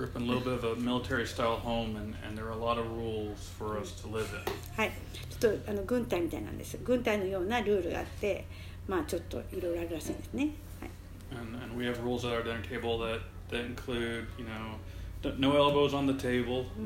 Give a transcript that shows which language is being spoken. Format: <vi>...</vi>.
<en>Grew up in a little bit of a military style home, and there are a lot of rules for us to live in.</en> <ja>はい、ちょっとあの軍隊みたいなんです。軍隊のようなルールがあって、まあちょっといろいろあるらしいですね。</ja> <en>And we have rules at our dinner table that include, you know, no elbows on the table.</en>